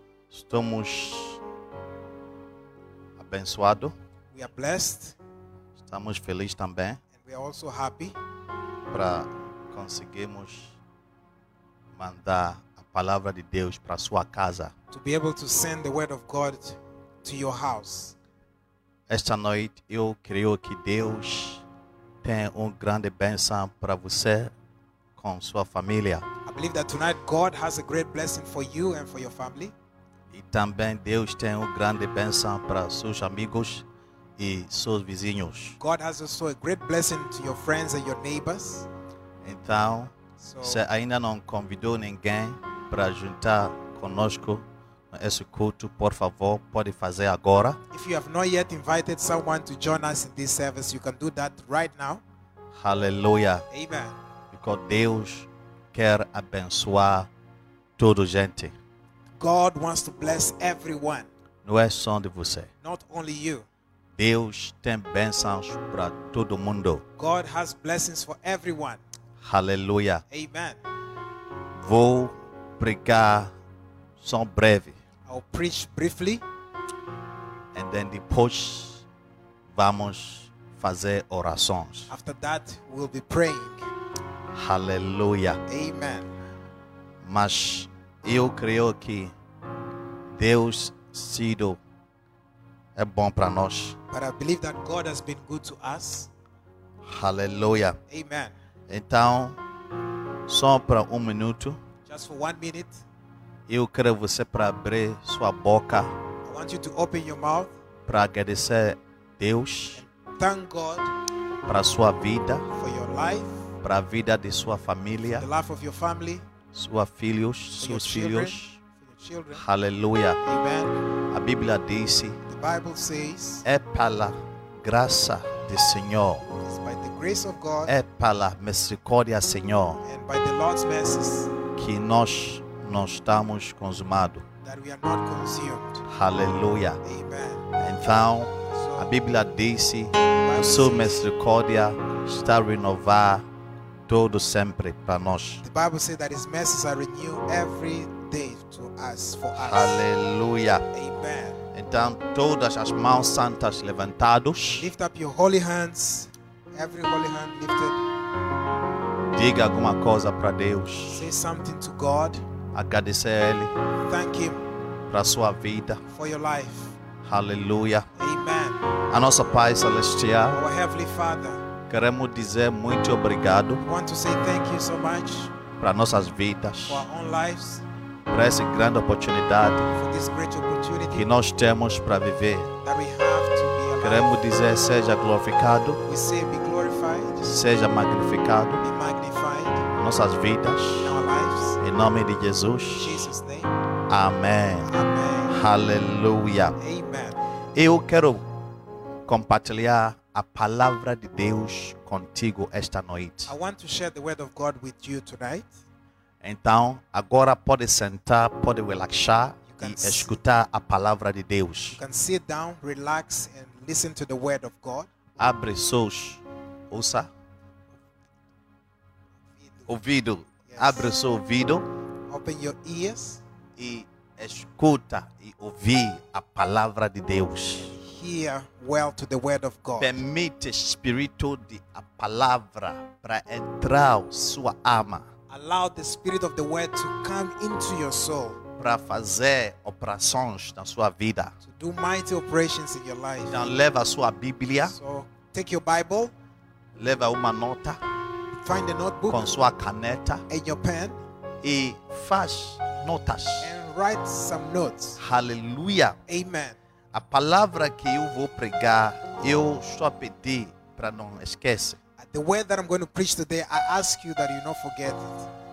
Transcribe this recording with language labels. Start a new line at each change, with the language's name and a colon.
Portuguese: Estamos abençoados.
English: We are blessed.
Portuguese: Estamos felizes também.
English: And we are also happy.
Portuguese: Para conseguirmos mandar a palavra de Deus para sua casa.
English: To be able to send the word of God to your house.
Portuguese: Esta noite eu creio que Deus tem um grande bênção para você com sua família.
English: I believe that tonight God has a great blessing for you and for your family.
Portuguese: E também Deus tem um grande bênção para seus amigos e seus vizinhos.
English: God has also a great blessing to your friends and your neighbors.
Portuguese: Então, você ainda não convidou ninguém para juntar conosco nesse culto, por favor, pode fazer agora.
English: If you have not yet invited someone to join us in this service, you can do that right now. Hallelujah. Amen.
Portuguese: Porque Deus quer abençoar toda gente.
English: God wants to bless everyone.
Portuguese: Não é só de você.
English: Not only you.
Portuguese: Deus tem bênçãos para todo mundo.
English: God has blessings for everyone.
Portuguese: Aleluia.
English: Amen.
Portuguese: Vou pregar só breve.
English: I'll preach briefly. And then
Portuguese: depois vamos fazer orações.
English: After that we'll be praying.
Portuguese: Aleluia.
English: Amen.
Portuguese: Mas Eu creio que Deus sido é bom para nós.
English: But I believe that God has been good to us. Hallelujah. Amen.
Portuguese: Então, só para minuto.
English: Just for 1 minute.
Portuguese: Eu quero você para abrir sua boca.
English: I want you to open your mouth.
Portuguese: Para agradecer Deus.
English: Thank God.
Portuguese: Para sua vida.
English: For your life.
Portuguese: Para a vida de sua família.
English: The life of your family.
Portuguese: Sua filhos, seus filhos.
English: Children. Hallelujah. Amen.
Portuguese: A Bíblia diz.
English: The Bible says.
Portuguese: É pela graça do Senhor.
English: It's by the grace of God.
Portuguese: É pela misericórdia, Senhor.
English: And by the Lord's mercies.
Portuguese: Que nós não estamos consumados.
English: That we are not consumed. Hallelujah. Amen.
Portuguese: Então, a Bíblia diz. A sua misericórdia está renovada todo sempre para nós.
English: The Bible says that His mercies are renewed every day to us, for us. Hallelujah. Amen.
Portuguese: Então todas as mãos santas levantadas.
English: Lift up your holy hands. Every holy hand lifted.
Portuguese: Diga alguma coisa para Deus.
English: Say something to God.
Portuguese: Agradecer Ele.
English: Thank Him.
Portuguese: Para sua vida.
English: For your life. Hallelujah. Amen.
Portuguese: A nossa Pai Celestial.
English: Our Heavenly Father.
Portuguese: Queremos dizer muito obrigado.
English: Want to say thank you so much.
Portuguese: Para nossas vidas.
English: For our own lives.
Portuguese: Para essa grande oportunidade.
English: For this great opportunity.
Portuguese: Que nós temos para viver.
English: That we have to be alive.
Portuguese: Queremos dizer seja glorificado.
English: We say be glorified.
Portuguese: Seja magnificado.
English: Be magnified.
Portuguese: Nossas vidas.
English: In our lives.
Portuguese: Em nome de Jesus.
English: In Jesus' name.
Portuguese: Amém.
English: Amen. Hallelujah. Amen.
Portuguese: Eu quero compartilhar a palavra de Deus contigo esta noite.
English: I want to share the word of God with you tonight.
Portuguese: Então, agora pode sentar, pode relaxar e escutar a palavra de Deus.
English: You can sit down, relax and listen to the word of God.
Portuguese: Abre seus ouça. Ouvido.
English: Yes.
Portuguese: Abre seu ouvido.
English: Open your ears.
Portuguese: E escuta e ouvi a palavra de Deus.
English: Hear well to the word of God.
Portuguese: Permite espírito de a palavra para entrar sua alma.
English: Allow the spirit of the word to come into your soul.
Portuguese: Para fazer operações na sua vida.
English: To do mighty operations in your life.
Portuguese: Então, leva sua Bíblia.
English: So take your Bible.
Portuguese: Leva uma nota.
English: Find a notebook.
Portuguese: Com sua caneta.
English: And your pen.
Portuguese: E faz notas.
English: And write some notes. Hallelujah. Amen.
Portuguese: A palavra que eu vou pregar, eu só pedi para não esquecer.
English: The word that I'm going to preach today, I ask you that you not forget it.